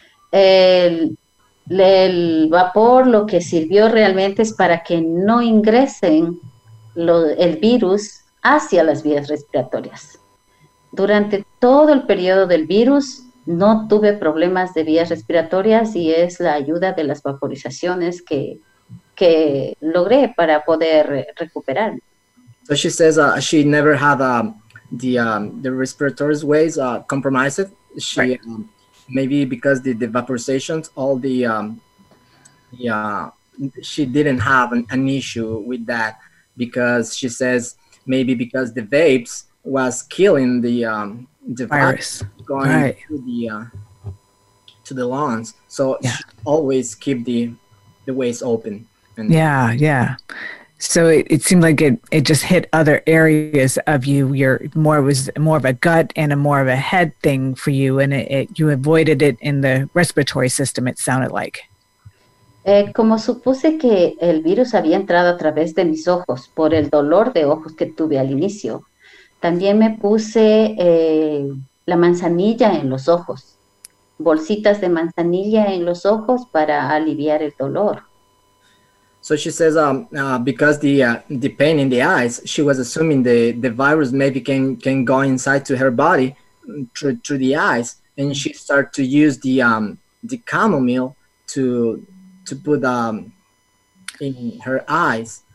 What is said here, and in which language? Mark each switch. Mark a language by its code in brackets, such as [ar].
[es] El vapor lo que sirvió realmente es para que no ingresen el virus hacia las vías respiratorias. Durante todo el periodo del virus, no tuve problemas de vías respiratorias y es la ayuda de las vaporizaciones que, que logré para poder recuperarme. [en] So she says she never had the respiratory ways compromised. She right. Maybe because the vaporizations, all the she didn't have an issue with that, because she says maybe because the vapes was killing the virus going right. To the lungs, so yeah. She always keep the ways open. And yeah. So it seemed like it just hit other areas of you. Your more was more of a gut and a more of a head thing for you, and it you avoided it in the respiratory system, it sounded like. [es] Como supuse que el virus había entrado a través de mis ojos por el dolor de ojos que tuve al inicio, también me puse la manzanilla en los ojos, bolsitas de manzanilla en los ojos para aliviar el dolor. [en] So she says because the pain in the eyes, she was assuming the virus maybe can go inside to her body through the eyes, and she started to use the chamomile to put in her eyes.